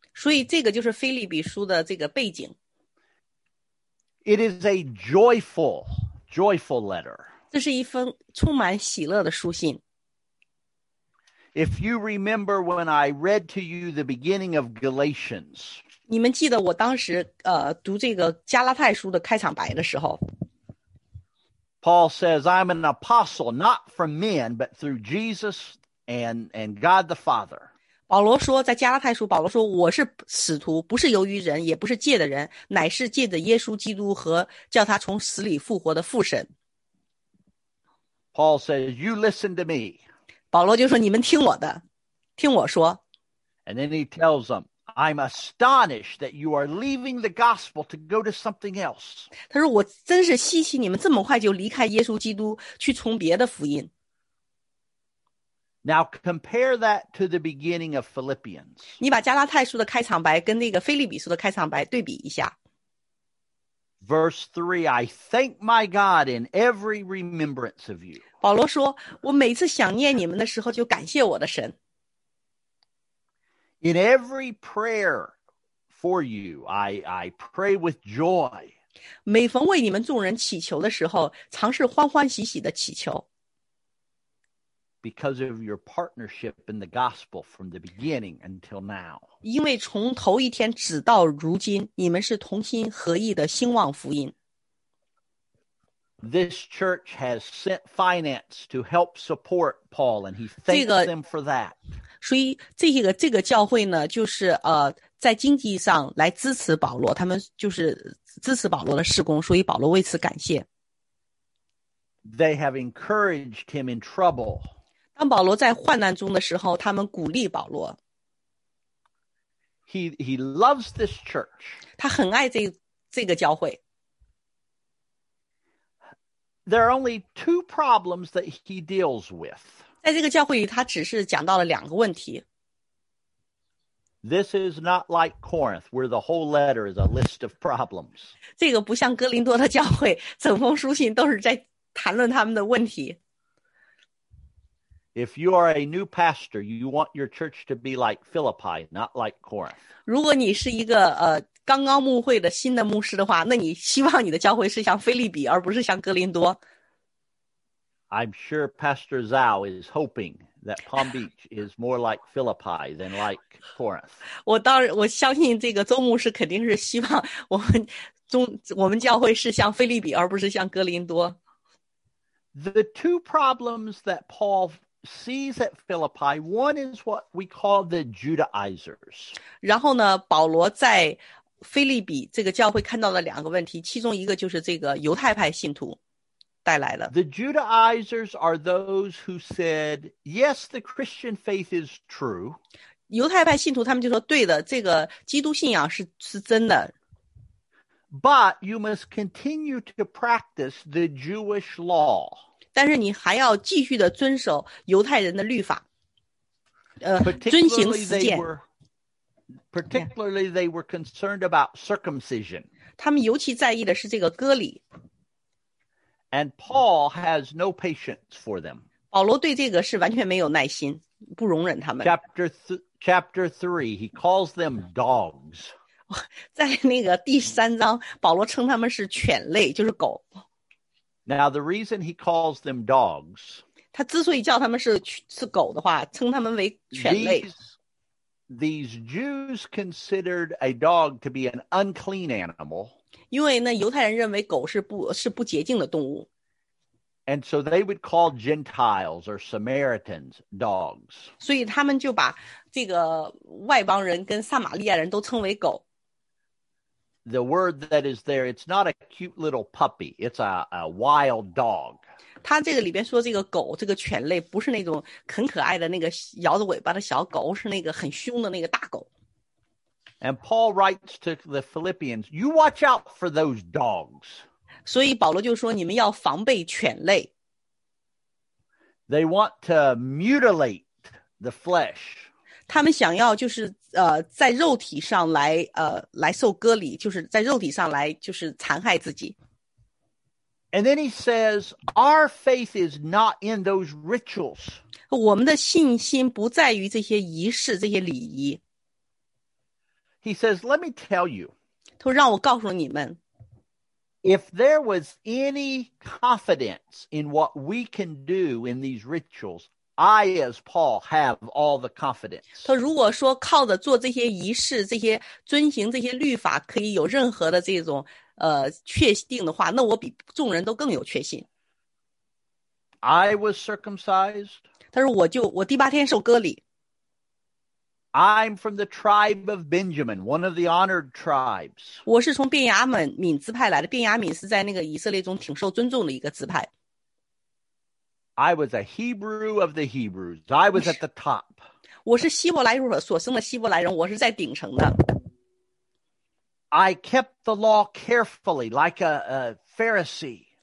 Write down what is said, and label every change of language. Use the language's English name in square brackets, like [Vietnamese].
[Chinese] 所以这个就是腓立比书的这个背景。 [English] It is a joyful, joyful letter. [Chinese] 这是一封充满喜乐的书信。 [English] If you remember when I read to you the beginning of Galatians, [Chinese] 你们记得我当时读这个加拉太书的开场白的时候。 [English] Paul says, "I'm an apostle, not from men, but through Jesus and God the Father." [Chinese] 保罗说，在加拉太书，保罗说，我是使徒，不是由于人，也不是借的人，乃是借着耶稣基督和叫他从死里复活的父神。 [English] Paul says, "You listen to me." [Chinese] 保罗就说，你们听我的，听我说。 [English] And then he tells them, "I'm astonished that you are leaving the gospel to go to something else." [Chinese] 他说，我真是稀奇，你们这么快就离开耶稣基督，去从别的福音。 [English] Now compare that to the beginning of Philippians. [Chinese] 你把加拉太书的开场白跟那个腓立比书的开场白对比一下。 [English] Verse 3, "I thank my God in every remembrance of you." [Chinese] 保罗说，我每次想念你们的时候就感谢我的神。 [English] In every prayer for you, I pray with joy. [Chinese] 每逢为你们众人祈求的时候，常是欢欢喜喜的祈求。 [English] Because of your partnership in the gospel from the beginning until now. [Chinese] 因为从头一天直到如今，你们是同心合意的兴旺福音。 [English] This church has sent finance to help support Paul, and he thanks them for that. [Chinese] 所以这个教会呢，就是在经济上来支持保罗，他们就是支持保罗的事工，所以保罗为此感谢。 [English] They have encouraged him in trouble. [Chinese] 当保罗在患难中的时候，他们鼓励保罗。 [English] He loves this church. [Chinese] 他很爱这个教会。 [English] There are only two problems that he deals with. [Chinese] 在这个教会里，他只是讲到了两个问题。 [English] This is not like Corinth, where the whole letter is a list of problems. [Chinese] 这个不像哥林多的教会，整封书信都是在谈论他们的问题。 [English] If you are a new pastor, you want your church to be like Philippi, not like Corinth. [Chinese] 如果你是一个刚刚牧会的新的牧师的话，那你希望你的教会是像腓立比，而不是像哥林多。 [English] I'm sure Pastor Zhao is hoping that Palm Beach is more like Philippi than like Corinth. [Chinese] 我相信这个周牧师肯定是希望我们教会是像腓立比，而不是像哥林多。 [English] The two problems that Paul sees at Philippi, one is what we call the Judaizers. [Chinese] 然后呢，保罗在腓立比这个教会看到了两个问题，其中一个就是这个犹太派信徒。 [English] The Judaizers are those who said, yes, the Christian faith is true. [Chinese] 犹太派信徒他们就说对的，这个基督信仰是真的。 [English] But you must continue to practice the Jewish law. [Chinese] 但是你还要继续的遵守犹太人的律法，遵行实践。 [English] Particularly, they were concerned about circumcision. [Chinese] 他们尤其在意的是这个割礼。 [English] And Paul has no patience for them. [Chinese] 保罗对这个是完全没有耐心，不容忍他们。 [English] Chapter 3, he calls them dogs. [Chinese] 在那个第三章，保罗称他们是犬类，就是狗。 [English] Now the reason he calls them dogs. [Chinese] 他之所以叫他们是狗的话，称他们为犬类。 [English] These Jews considered a dog to be an unclean animal. [Chinese] 因为呢，犹太人认为狗是不洁净的动物。 [English] And so they would call Gentiles or Samaritans dogs. [Chinese] 所以他们就把这个外邦人跟撒玛利亚人都称为狗。 [English] The word that is there, it's not a cute little puppy. It's a wild dog. [Chinese] 他这个里边说这个狗，这个犬类不是那种很可爱的那个摇着尾巴的小狗，是那个很凶的那个大狗。 [English] And Paul writes to the Philippians, you watch out for those dogs. [Chinese] 所以保罗就说你们要防备犬类。 [English] They want to mutilate the flesh. [Chinese] 他们想要就是在肉体上来受割礼，就是在肉体上来就是残害自己。 [English] And then he says, our faith is not in those rituals. [Chinese] 我们的信心不在于这些仪式，这些礼仪。 [English] He says, let me tell you. [Chinese] 他说让我告诉你们。 [English] If there was any confidence in what we can do in these rituals, I, as Paul, have all the confidence. [Chinese] 他说如果说靠着做这些仪式，这些遵行这些律法可以有任何的这种确定的话，那我比众人都更有确信。 [English] I was circumcised. [Chinese] 他说我第八天受割礼。 [English] I'm from the tribe of Benjamin, one of the honored tribes. [Chinese] 我是从便雅悯支派来的，便雅悯是在那个以色列中挺受尊重的一个支派。 [English] I was a Hebrew of the Hebrews. I was at the top. [Chinese] 我是希伯来所生的希伯来人，我是在顶层的。 [English] I kept the law carefully, like a Pharisee.